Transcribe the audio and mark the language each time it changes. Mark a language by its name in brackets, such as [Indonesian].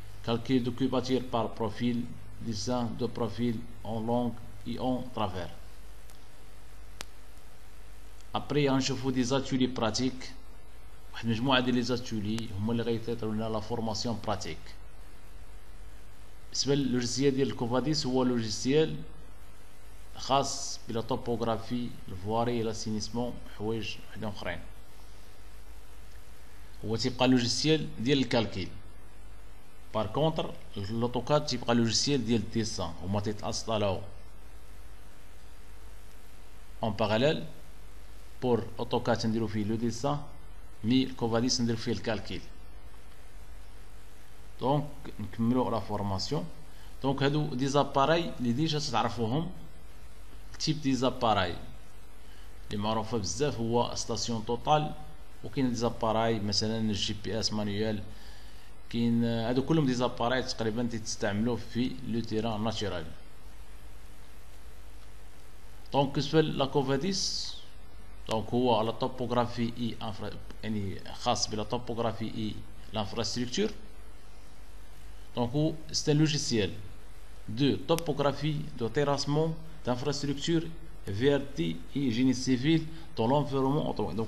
[French] Calcul de cubature par profil. Dessin de profil en longue et en travers. Après, on se fait des ateliers pratiques. Je vais vous les ateliers. Je vais vous donner la formation pratique. [Arabic] بالنسبه للوجيسيال ديال الكوفاديس، هو لوجيسيال خاص بلا توبوغرافي الفواري لا سينيسمون حوايج وحده اخرين. هو تيبقى لوجيسيال ديال الكالكيل. بار كونتر لوتوكاد تيبقى لوجيسيال ديال الديسان، هما تيتاصطالاو اون باراليل. بور اوتوكاد نديرو فيه لو ديسان، مي الكوفاديس نديرو فيه الكالكيل. دونك نكملو لا فورماسيون. دونك هادو دي زاباراي لي ديجا تعرفوهم. تيب دي زاباراي لي معروفة بزاف هو ستاسيون توتال، و كاين دي زاباراي مثلا الجي بي اس مانيوال. كاين هادو كلهم دي زاباراي تقريبا تيستعملو في لو تيران ناتشورال. دونك سفل لا كوفاديس، دونك هو على توبوغرافي اي يعني خاص بلا توبوغرافي اي لانفراستركتور. [French] Donc c'est un logiciel de topographie, de terrassement, d'infrastructure, VRT et génie civil dans l'environnement AutoCAD.